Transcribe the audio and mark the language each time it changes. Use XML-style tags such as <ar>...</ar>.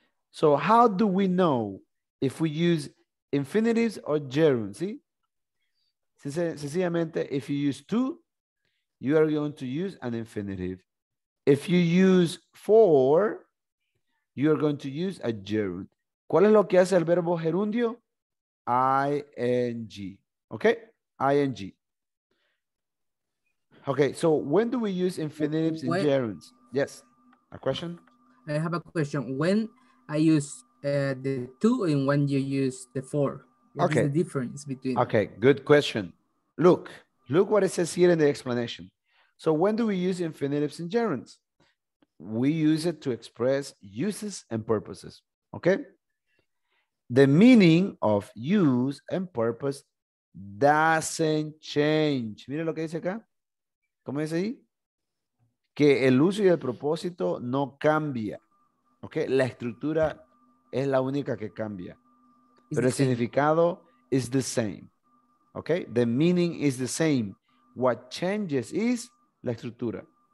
<en>So how do we know if we use infinitives or gerunds? See? Sencillamente, if you use two, you are going to use an infinitive. If you use four, you are going to use a gerund.</en> <es>¿Cuál es lo que hace el verbo gerundio?</es> <en>ING. Okay? ING. Okay, so when do we use infinitives and gerunds? Yes. A question? I have a question. When I use the two and when you use the four? What is the difference between? Okay, good question. Look what it says here in the explanation. So when do we use infinitives and gerunds? We use it to express uses and purposes. Okay? The meaning of use and purpose doesn't change.</en> <es>Mire lo que dice acá. ¿Cómo dice ahí? Que el uso y el propósito no cambia. ¿Ok? La estructura es la única que cambia. Pero el significado</es> <en>is the same.</en> <es>¿Ok?</es> <en>The meaning is the same. What changes is</en> <es>la estructura.</es>